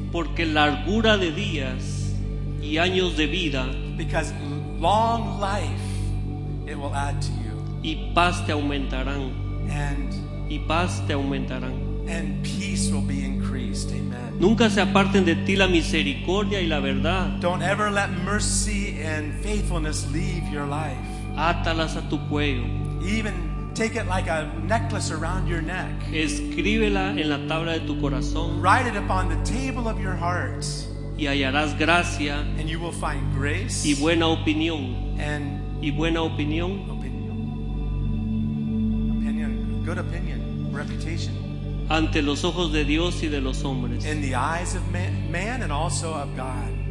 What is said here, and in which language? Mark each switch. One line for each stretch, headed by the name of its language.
Spanish: Porque largura de días y años de vida.
English: Because long life it will add to you.
Spanish: Y paz te aumentarán.
English: And
Spanish: y paz te aumentarán.
English: And peace will be increased. Amen.
Spanish: Nunca se aparten de ti la misericordia y la verdad.
English: Don't ever let mercy and faithfulness leave your life.
Spanish: Átalas a tu cuello.
English: Even take it like a necklace around your neck.
Spanish: Escríbela en la tabla de tu corazón.
English: Write it upon the table of your heart.
Spanish: Y hallarás gracia.
English: And you will find grace.
Spanish: Y buena opinión.
English: And
Spanish: y buena opinión.
English: Opinion. Opinion. Good opinion. Reputation.
Spanish: Ante los ojos de Dios y de los hombres.
English: In the eyes of man and also of God.